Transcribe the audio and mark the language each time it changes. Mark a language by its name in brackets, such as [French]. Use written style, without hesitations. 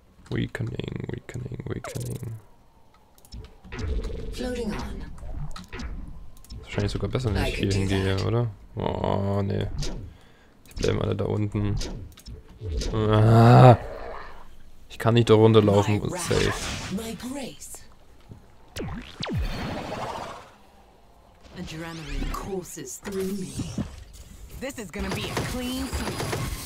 [English] Weakening, weakening, weakening. Floating on. [German] Ist wahrscheinlich sogar besser, wenn ich hier hingehe, oder? Oh, nee. Die bleiben alle da unten. Ah, ich kann nicht da runterlaufen und safe. [English] My grace. Adrenaline courses through me. This is gonna be a clean sweep.